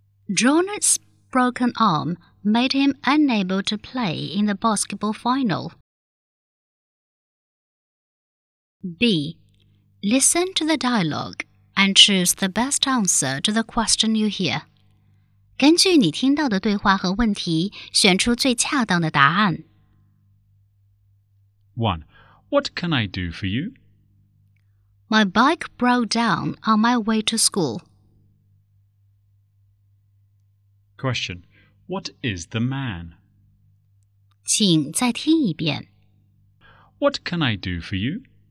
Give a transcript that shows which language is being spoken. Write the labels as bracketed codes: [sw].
[en] Johnny's broken arm made him unable to play in the basketball final. B. Listen to the dialogue and choose the best answer to the question you hear. [zh] 根据你听到的对话和问题选出最恰当的答案。 [en] 1. What can I do for you? My bike broke down on my way to school. Question, what is the man? [zh] 请再听一遍。 [en] What can I do for you?